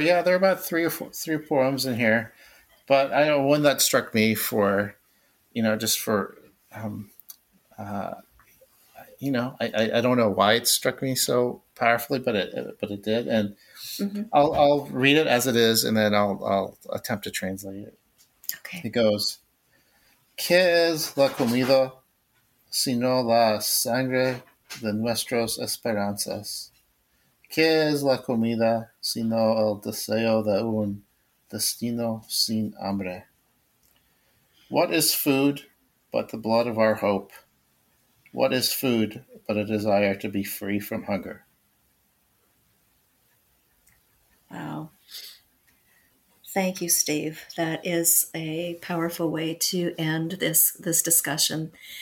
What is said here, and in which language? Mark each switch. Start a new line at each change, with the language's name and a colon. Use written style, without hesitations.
English: Yeah, there are about three poems in here. But I know one that struck me for, you know, just for, you know, I don't know why it struck me so powerfully, but it did. And I'll read it as it is, and then I'll attempt to translate it. Okay. It goes,
Spanish: ¿Qué es la comida sino la sangre de nuestras esperanzas? ¿Qué es la comida sino el deseo de un destino sin hambre?
English: What is food but the blood of our hope? What is food but a desire to be free from hunger? Wow. Thank you, Steve. That is a powerful way to end this discussion.